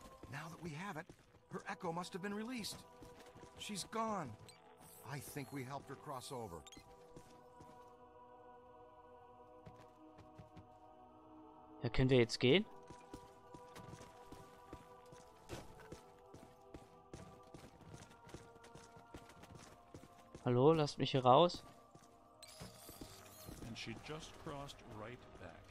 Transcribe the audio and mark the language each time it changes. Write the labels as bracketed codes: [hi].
[en] Now that we have it, her echo must have been released. She's gone. I think we helped her cross over. [de] Ja, können wir jetzt gehen? Hallo, lasst mich hier raus. [en] And she just crossed right back.